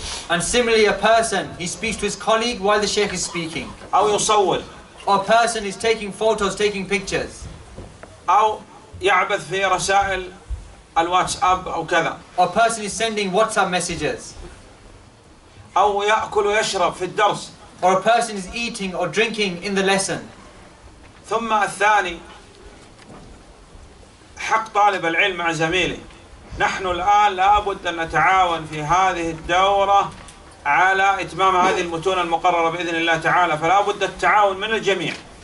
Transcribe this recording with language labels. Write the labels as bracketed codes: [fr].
[en] And similarly, a person, he speaks to his colleague while the sheikh is speaking. Or a person is taking photos, taking pictures. [ar] يعبث في رسائل الواتساب أو كذا. [en] Or personally sending WhatsApp messages. [ar] أو يأكل ويشرب في الدرس. [en] Or a person is eating or drinking in the lesson. [ar] ثم الثاني حق طالب العلم مع زميله. نحن الآن لابد أن نتعاون في هذه الدورة على إتمام هذه المتون المقررة بإذن الله تعالى. فلا بد التعاون من الجميع.